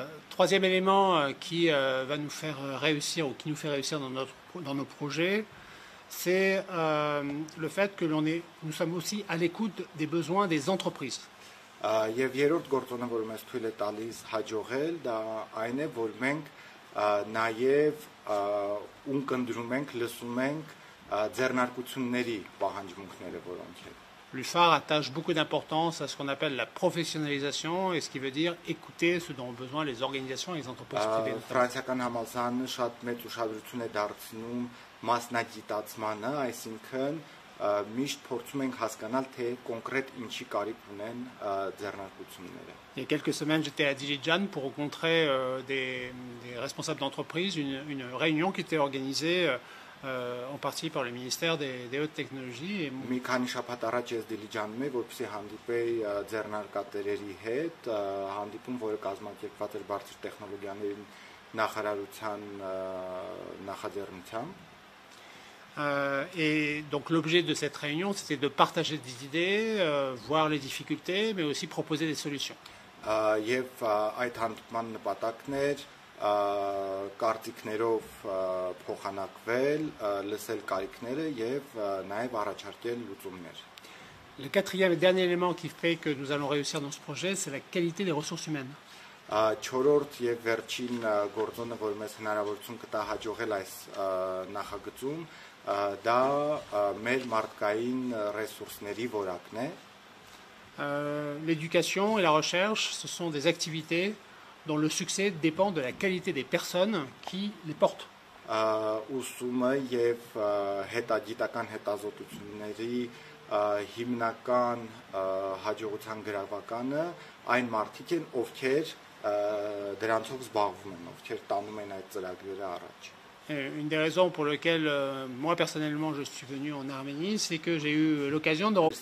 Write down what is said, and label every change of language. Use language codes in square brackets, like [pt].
[fr] Troisième élément qui va nous faire réussir ou qui nous fait réussir dans nos projets, c'est le fait que nous sommes aussi à l'écoute des besoins des entreprises. [hy] Եվ երրորդ գործոնը, որ մեզ թույլ է տալիս հաջողել, դա այն է, որ մենք նաև ունկնդրում ենք, լսում ենք ձեռնարկությունների պահանջմունքները, որոնք են. [fr] L'UFAR attache beaucoup d'importance à ce qu'on appelle la professionnalisation, et ce qui veut dire écouter ce dont ont besoin les organisations et les entreprises privées. [hy] Ֆրանսիական համալսարանը շատ մեծ ուշադրություն է դարձնում մասնագիտացմանը, այսինքն միշտ փորձում ենք հասկանալ, թե կոնկրետ ինչի կարիք ունեն ձեռնարկությունները. [fr] Il y a quelques semaines, j'étais à Dilijan pour rencontrer des responsables d'entreprise, une réunion qui était organisée en partie par le ministère des Hautes Technologies. [hy] Մի քանի շաբաթ առաջ ես Դիլիջանում էի, որպեսզի հանդիպեի ձեռնարկատերերի հետ, հանդիպում, որը կազմակերպված էր բարձր տեխնոլոգիաների նախարարության նախաձեռնությամբ. [fr] Et donc l'objet de cette réunion, c'était de partager des idées, voir les difficultés, mais aussi proposer des solutions. [hy] Եվ այդ հանդիպման նպատակն էր կարծիքներով փոխանակվել, լսել կարիքները եւ նաեւ առաջարկել լուծումներ. [fr] Le quatrième et dernier élément qui fait que nous allons réussir dans ce projet, c'est la qualité des ressources humaines. [hy] Չորրորդ եւ վերջին գործոնը, որ մեզ հնարավորություն կտա հաջողել այս նախագծում, դա մեր մարդկային ռեսուրսների որակն է. [fr] L'éducation et la recherche, ce sont des activités dont le succès dépend de la qualité des personnes qui les portent. [hy] Ուսումը եւ հետագիտական հետազոտությունների հիմնական հաջողության գրավականը այն մարդիկ են, ովքեր դրանցով զբաղվում են, ովքեր տանում են այդ ծրագրերը առաջ. [fr] Une des raisons pour lesquelles moi personnellement je suis venu en Arménie, c'est que j'ai eu l'occasion de.